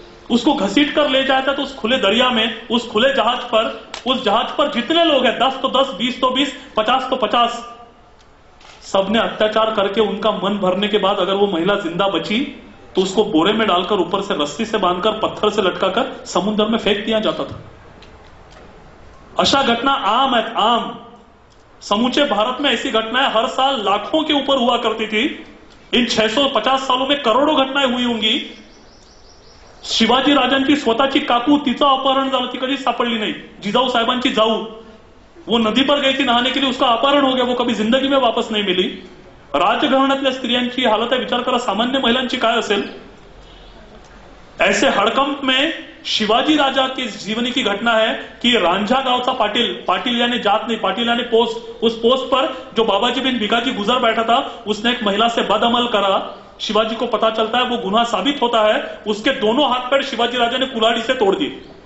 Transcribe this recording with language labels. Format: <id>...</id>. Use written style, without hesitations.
<hi>उसको घसीट कर ले जाया था तो उस खुले दरिया में, उस खुले जहाज पर, उस जहाज पर जितने लोग हैं, 10 तो 10, 20 तो 20, 50 तो 50, सबने अत्याचार करके उनका मन भरने के बाद अगर वो महिला जिंदा बची तो उसको बोरे में डालकर ऊपर से रस्सी से बांधकर पत्थर से लटकाकर समुद्र में फेंक दिया जाता था। अशा घटना आम है, आम समूचे भारत में ऐसी घटनाएं हर साल लाखों के ऊपर हुआ करती थी। इन 650 सालों में करोड़ों घटनाएं हुई होंगी।</hi> <mr>शिवाजी राजांची स्वतःची काकू, तिचं अपहरण झालं, ती कधी सापडली नाही। जिजाऊ साहेबांची जाऊ,</mr> <hi>वो नदी पर गई थी नहाने के लिए, उसका अपहरण हो गया, वो कभी जिंदगी में वापस नहीं मिली।</hi> <mr>राजघराण्यातल्या स्त्रियांची हालत आहे, विचार करा सामान्य महिलांची काय असेल।</mr> <hi>ऐसे हडकंप में शिवाजी राजा के जीवनी की घटना है कि</hi> <mr>रांझा गावचा पाटील, पाटील याने जात नाही, पाटील याने पोस्ट,</mr> <hi>उस पोस्ट पर जो बाबाजी बिन भिकाजी गुजर बैठा था, उसने एक महिला से बदअमल करा। शिवाजी को पता चलता है वो गुनाह साबित होता है, उसके दोनों हाथ पैर शिवाजी राजा ने कुल्हाड़ी से तोड़ दिए।</hi>